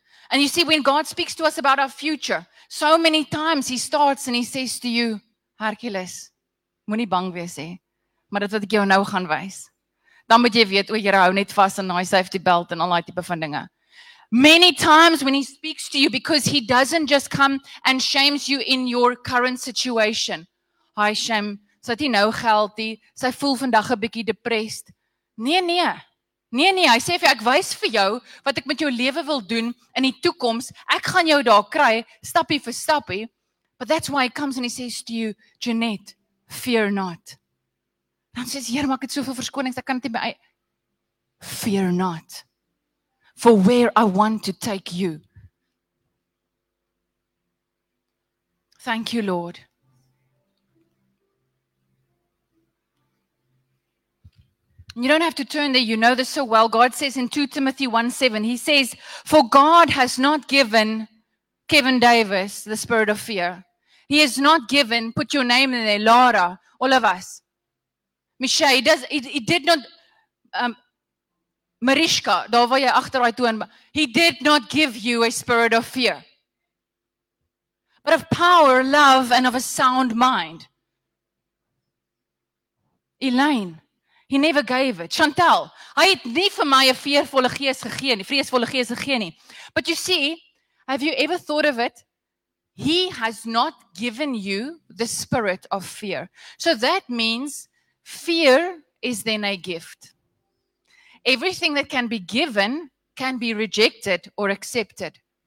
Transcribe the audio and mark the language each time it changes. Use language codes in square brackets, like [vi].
[en] And you see, when God speaks to us about our future, so many times he starts and he says to you, Hercules, [af] moenie bang wees, maar dit wat ek jou nou gaan wys. Dan moet jy weet, oor jy hou net vast in die safety belt en al die type van dinge. [en] Many times when he speaks to you, because he doesn't just come and shames you in your current situation. [af] Hy shame, sy het nie nou geld nie, sy voel vandag 'n bietjie depressed. Nee. Hy sê vir jou, ek wys vir jou wat ek met jou lewe wil doen in die toekoms. Ek gaan jou daar kry, stappie vir stappie. [en] But that's why he comes and he says to you, Jeanette, fear not. [af] Dan sê, Heer, maar ek het soveel verskonings, ek kan nie by... [en] Fear not, for where I want to take you. Thank you, Lord. You don't have to turn there, you know this so well. God says in 2 Timothy 1:7, he says, for God has not given Kevin Davis the spirit of fear. He has not given, put your name in there, Laura, all of us. Michelle, Mariska, [af] daar waar jy agter daai toon, [en] he did not give you a spirit of fear, but of power, love, and of a sound mind. Elaine, he never gave it. [af] Chantell, hy het nie vir my 'n fearvolle gees gegee nie, vreesvolle gees gegee nie. [en] But you see, have you ever thought of it? He has not given you the spirit of fear. So that means fear is then a gift. Everything that can be given can be rejected or accepted.